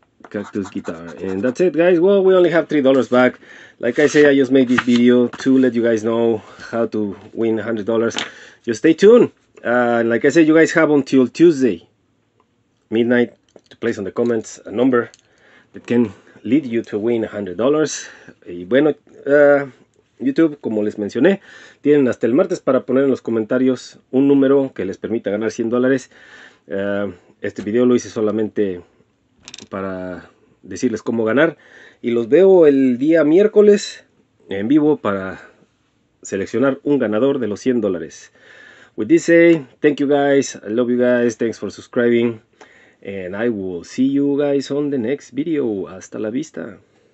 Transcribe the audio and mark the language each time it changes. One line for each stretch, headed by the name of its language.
English: Cactus guitar. And that's it, guys. Well, we only have $3 back. Like I say, I just made this video to let you guys know how to win $100. Just stay tuned. And like I said, you guys have until Tuesday midnight to place on the comments a number that can lead you to win $100.
Spanish: Y bueno, YouTube, como les mencioné, tienen hasta el martes para poner en los comentarios un número que les permita ganar $100. Este video lo hice solamente para decirles cómo ganar. Y los veo el día miércoles en vivo para seleccionar un ganador de los $100.
English: With this say, thank you guys, I love you guys, thanks for subscribing, and I will see you guys on the next video.
Spanish: Hasta la vista.